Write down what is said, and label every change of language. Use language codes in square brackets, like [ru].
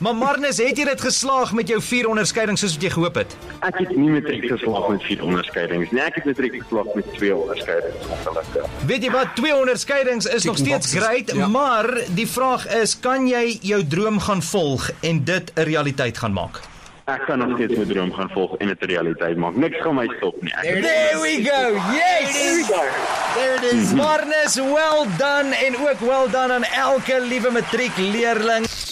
[af] Maar Marnus, het jy dit geslaag met jou 4 onderskeidings soos wat jy gehoop het? Ek het nie matriek geslaag met 4 onderskeidings. Nee, ek het matriek geslaag met 2 onderskeidings. Weet jy wat, 2 onderskeidings is nog steeds great, maar die vraag is, kan jy jou droom gaan volg en dit 'n realiteit gaan maak? Ek kan nog steeds my droom gaan volg en het realiteit maak. Niks gaan my stop nie. [en] There we go! Yes! There it is! Marnus, well done! [af] En ook [en] well done [af] aan elke liewe matriek leerling.